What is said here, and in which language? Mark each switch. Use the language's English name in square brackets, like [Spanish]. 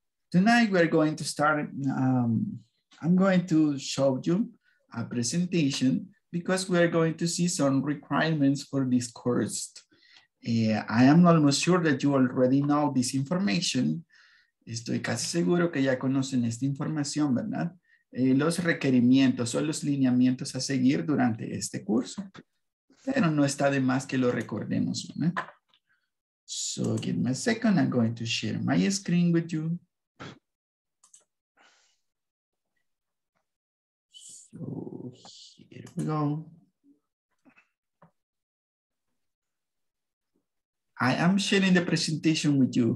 [English] Tonight we're going to start, I'm going to show you a presentation because we're going to see some requirements for this course. I am almost sure that you already know this information. [Spanish] Estoy casi seguro que ya conocen esta información, ¿verdad? Los requerimientos o los lineamientos a seguir durante este curso. Pero no está de más que lo recordemos, ¿verdad? [English] So give me a second, I'm going to share my screen with you. So here we go. I am sharing the presentation with you.